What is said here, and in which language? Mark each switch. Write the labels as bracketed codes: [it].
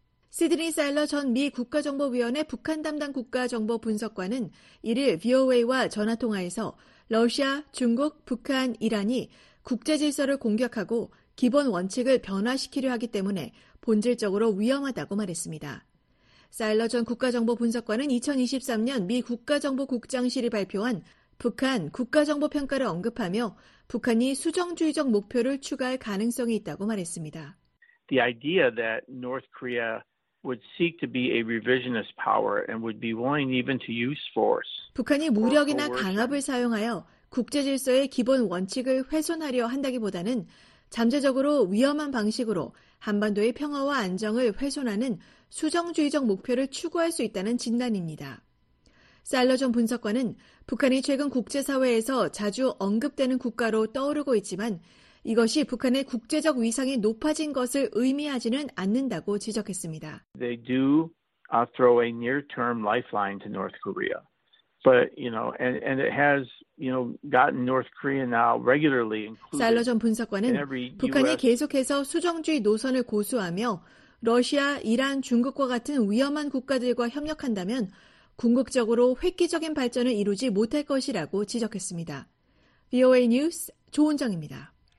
[ko] 시드니 사일러 전 미 국가정보위원회 북한 담당 국가정보분석관은 1일 VOA와 전화통화에서 러시아, 중국, 북한, 이란이 국제질서를 공격하고 기본 원칙을 변화시키려 하기 때문에 본질적으로 위험하다고 말했습니다. 사일러 전 국가정보분석관은 2023년 미 국가정보국장실이 발표한 북한 국가정보평가를 언급하며 북한이 수정주의적 목표를 추가할 가능성이 있다고 말했습니다. [en] The idea that North Korea would seek to be a revisionist power and would be willing even to use force. [ko] 북한이 무력이나 강압을 사용하여 국제 질서의 기본 원칙을 훼손하려 한다기보다는 잠재적으로 위험한 방식으로 한반도의 평화와 안정을 훼손하는 수정주의적 목표를 추구할 수 있다는 진단입니다. 살러 전 분석관은 북한이 최근 국제사회에서 자주 언급되는 국가로 떠오르고 있지만 이것이 북한의 국제적 위상이 높아진 것을 의미하지는 않는다고 지적했습니다. [en] They do throw a near-term lifeline to North Korea. But, you know, and it has, you know, gotten North Korea now regularly included. [ko] 살러 전 분석관은 북한이 계속해서 수정주의 노선을 고수하며 러시아, 이란, 중국과 같은 위험한 국가들과 협력한다면 궁극적으로 획기적인 발전을 이루지 못할 것이라고 지적했습니다. VOA 뉴스 조은정입니다.